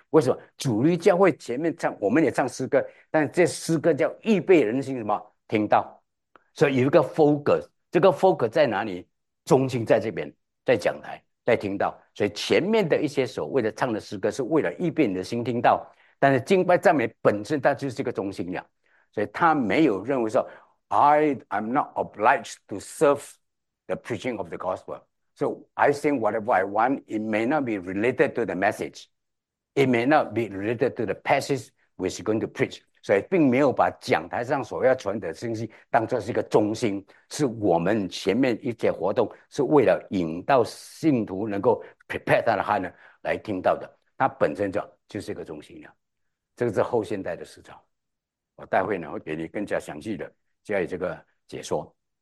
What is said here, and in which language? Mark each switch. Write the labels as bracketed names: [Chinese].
[Chinese] 为什么主流教会前面唱，我们也唱诗歌，但这诗歌叫预备人心什么听到？所以有一个 focus，这个 focus 在哪里？中心在这边，在讲台，在听到。所以前面的一些所谓的唱的诗歌，是为了预备你的心听到。但是敬拜赞美本身，它就是一个中心了。所以他没有认为说， [English] I'm not obliged to serve the preaching of the gospel. So I sing whatever I want. It may not be related to the message. It may not be related to the passage which is going to preach. [Chinese] 所以，并没有把讲台上所要传的信息当作是一个中心，是我们前面一些活动是为了引导信徒能够 prepare 他的 heart 呢来听到的，它本身就是一个中心了。这个是后现代的思潮。我待会呢会给你更加详细的加以这个解说。